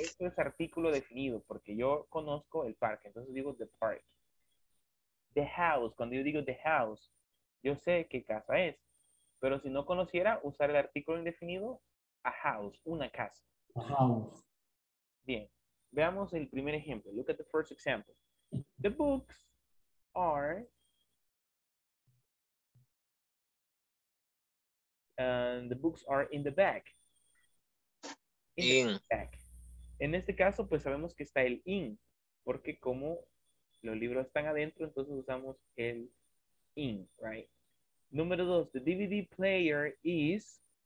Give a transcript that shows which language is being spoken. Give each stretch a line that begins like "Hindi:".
Spanish: Esto es artículo definido porque yo conozco el parque. Entonces digo the park. The house. Cuando yo digo the house, yo sé qué casa es. Pero si no conociera, usar el artículo indefinido, a house, una casa.
English: A house.
Spanish: Bien, veamos el primer ejemplo.
English: Look at the first example. The books are the books are in the back. In. The back.
Spanish: En este caso, pues sabemos que está el in, porque como los libros están adentro, entonces usamos el in, right? Número dos,
English: the DVD player is